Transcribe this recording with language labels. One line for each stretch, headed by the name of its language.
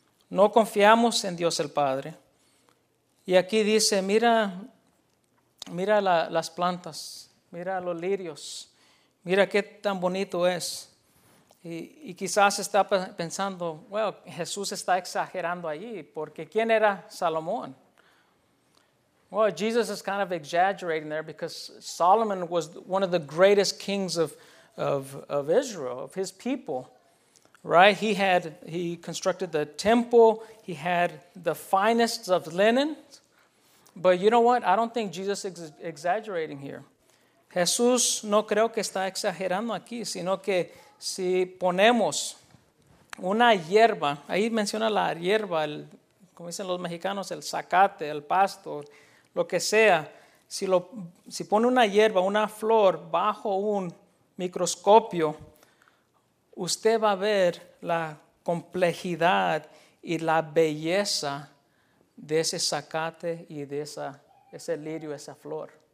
Spanish: No confiamos en Dios el Padre. Y aquí dice, mira las plantas, mira los lirios, mira qué tan bonito es. Y quizás está pensando, well, Jesús está exagerando allí, porque ¿quién era Salomón?
English: Well, Jesus is kind of exaggerating there because Solomon was one of the greatest kings of Israel, of his people, right? He constructed the temple, he had the finest of linen, but you know what? I don't think Jesus is exaggerating here.
Spanish: Jesús no creo que está exagerando aquí, sino que si ponemos una hierba, ahí menciona la hierba, como dicen los mexicanos, el zacate, el pasto, lo que sea. Si pone una hierba, una flor, bajo un microscopio, usted va a ver la complejidad y la belleza de ese zacate y de ese lirio, esa flor.